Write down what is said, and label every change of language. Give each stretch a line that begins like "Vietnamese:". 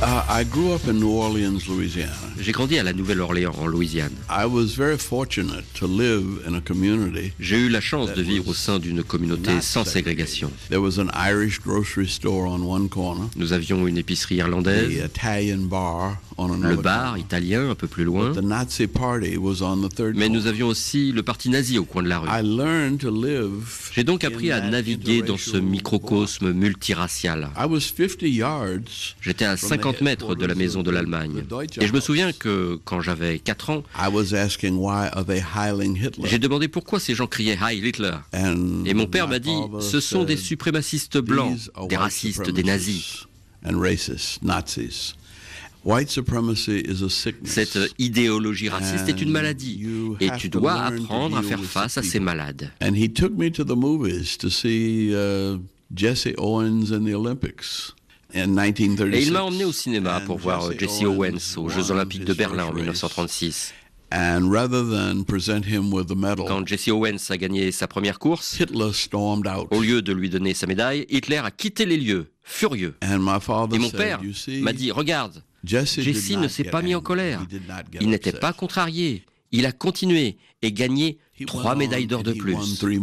English: I grew up in New Orleans, Louisiana.
French: J'ai grandi à la Nouvelle-Orléans, en Louisiane.
English: I was very fortunate to live in a community.
French: J'ai eu la chance de vivre au sein d'une communauté sans ségrégation.
English: There was an Irish grocery store on one corner.
French: Nous avions une épicerie irlandaise.
English: The Italian bar on another.
French: Le bar italien un peu plus loin.
English: But the Nazi party was on the third.
French: Mais nous avions aussi le parti nazi au coin de la rue.
English: I learned to live.
French: J'ai donc appris à naviguer dans ce microcosme multiracial.
English: I was 50 yards.
French: J'étais à 50 mètres de la maison de l'Allemagne. Et je me souviens que, quand j'avais 4 ans,
English: I was asking why are they hailing Hitler?
French: J'ai demandé pourquoi ces gens criaient « Heil Hitler ». Et mon père m'a dit « Ce sont des suprémacistes blancs, des racistes, des nazis ».
English: And racist, Nazis. White supremacy is a sickness.
French: Cette idéologie raciste est une maladie. Et tu dois apprendre à faire face à ces malades.
English: And he took me to the movies to see Jesse Owens in the Olympics.
French: Et il m'a emmené au cinéma pour voir Jesse Owens aux Jeux Olympiques de Berlin en 1936.
English: And rather than present him with the medal,
French: quand Jesse Owens a gagné sa première course,
English: Hitler stormed out.
French: Au lieu de lui donner sa médaille, Hitler a quitté les lieux, furieux.
English: And my father
French: Et mon père m'a dit, regarde, Jesse ne s'est pas mis en colère. Il n'était pas contrarié. Il a continué et gagné 3 médailles d'or de plus.